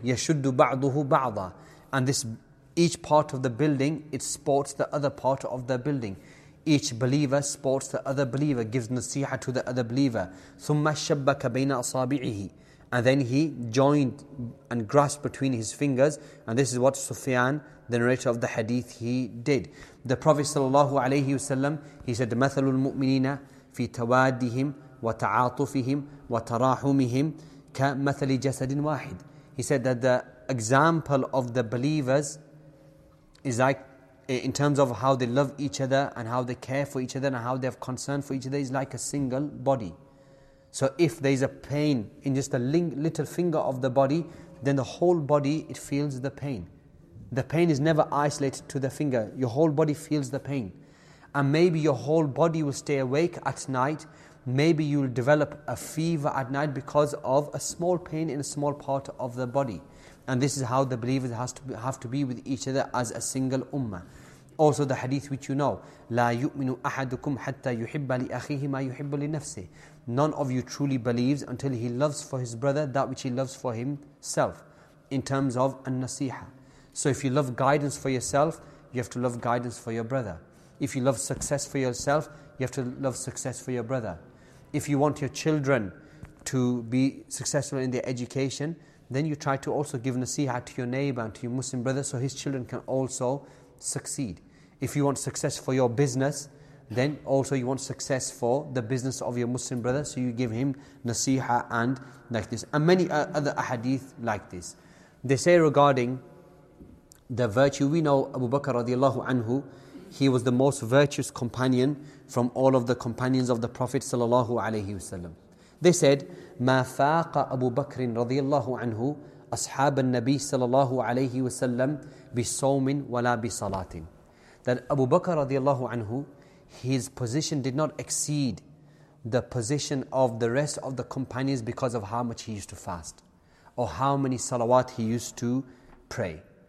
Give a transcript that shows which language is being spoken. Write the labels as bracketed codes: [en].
[ar] Yashuddu ba'duhu ba'da. [en] And this, each part of the building, it supports the other part of the building. Each believer supports the other believer, gives nasiha to the other believer. [ar] Thumma shabbaka bayna asabi'ihi. [en] And then he joined and grasped between his fingers. And this is what Sufyan, the narrator of the hadith, he did. The Prophet sallallahu alayhi wasallam, he said, [ar] مَثَلُ الْمُؤْمِنِينَ فِي تَوَادِّهِمْ وَتَعَاطُفِهِمْ وَتَرَاحُمِهِمْ كَمَثَلِ جَسَدٍ وَاحِدٍ. [en] He said that the example of the believers is like, in terms of how they love each other and how they care for each other and how they have concern for each other, is like a single body. So if there is a pain in just a little finger of the body, then the whole body, it feels the pain. The pain is never isolated to the finger. Your whole body feels the pain. And maybe your whole body will stay awake at night. Maybe you'll develop a fever at night because of a small pain in a small part of the body. And this is how the believers have to be with each other as a single ummah. Also the hadith which you know, [ar] لا يؤمن أحدكم حتى يحب لأخيه ما يحب لنفسه. [en] None of you truly believes until he loves for his brother that which he loves for himself, in terms of an-nasiha. So if you love guidance for yourself, you have to love guidance for your brother. If you love success for yourself, you have to love success for your brother. If you want your children to be successful in their education, then you try to also give nasiha to your neighbor and to your Muslim brother so his children can also succeed. If you want success for your business, then also you want success for the business of your Muslim brother, so you give him nasiha and like this. And many other ahadith like this. They say regarding the virtue, we know Abu Bakr radiallahu anhu, he was the most virtuous companion from all of the companions of the Prophet sallallahu alayhi wasallam. They said, [ar] مَا فَاقَ أَبُو بَكْرٍ رَضِيَ اللَّهُ عَنْهُ أَصْحَابَ النَّبِيِّ صَلَى اللَّهُ عَلَيْهِ وَسَلَّمْ بِصَوْمٍ وَلَا بِصَلَاةٍ. [en] That Abu Bakr radiallahu anhu, his position did not exceed the position of the rest of the companions because of how much he used to fast or how many salawat he used to pray.